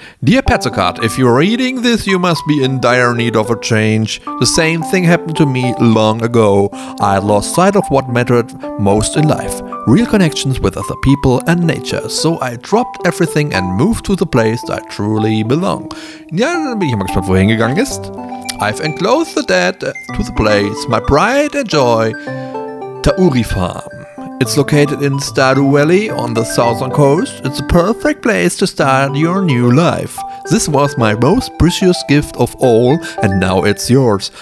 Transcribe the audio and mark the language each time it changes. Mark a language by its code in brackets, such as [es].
[en] Dear Petzokart, if you're reading this, you must be in dire need of a change. The same thing happened to me long ago. I lost sight of what mattered most in life. Real connections with other people and nature. So I dropped everything and moved to the place that I truly belong. [de] Ja, dann bin ich mal gespannt, wo er hingegangen ist. [en] I've enclosed the dead to the place, my pride and joy, Tauri Farm. It's located in Stardew Valley on the southern coast. It's a perfect place to start your new life. This was my most precious gift of all, and now it's yours.